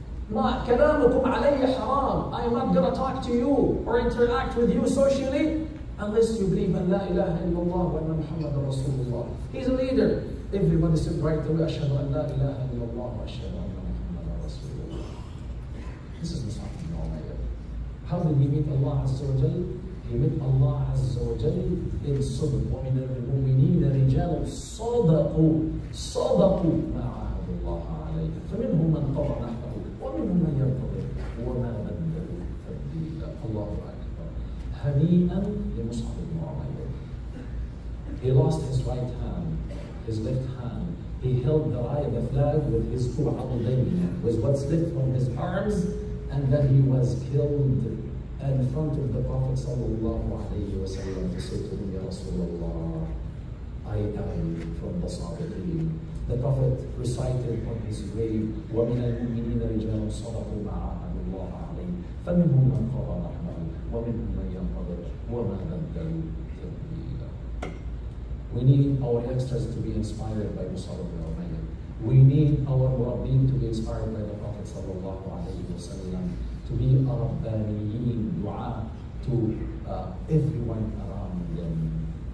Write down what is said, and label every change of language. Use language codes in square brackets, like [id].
[ar] Ma kalamukum alayya haram. [en] I am not going to talk to you or interact with you socially unless you believe in la ilaha illallah wa anna Muhammad Rasulullah. He's a leader. Everybody said right away, ashadu an la ilaha illallah wa ashadu anna Muhammad Rasulullah. This is Mus'ab ibn Umayr. How did he meet Allah Azza wa Jal? He met Allah Azza wa Jal in Sudan. [ar] ومن المؤمنين رجال صدقوا صدقوا ما عهد الله عليه فمنهم من قضى نحبه ومنهم من ينتظر وما بدلوا تبديلا. الله أكبر. هنيئا لمصعب بن عمير. [en] He lost his right hand, his left hand. He held the eye of the flag with his قبعضين, with what's left from his arms, and then he was killed in front of the Prophet sallallahu alayhi wa sallam to say to him, Ya Rasulullah, I am from the Sabiqeen. The Prophet recited on his grave, [ar] وَمِنَ الْمُؤْمِنِينَ رِجَالٌ صَدَقُوا مَا عَاهَدُوا اللَّهَ عَلَيْهِ فَمِنْهُمْ مَنْ قَضَى نَحْبَهُ وَمِنْهُمْ مَنْ يَنْتَظِرُ وَمَا بَدَّلُوا تَبْدِيلًا. [en] We need our youngsters to be inspired by Mus'ab ibn Umayr. We need our Murabbeen to be inspired by the Prophet sallallahu alayhi wa sallam, to be a Rabbaniyin dua to everyone around them.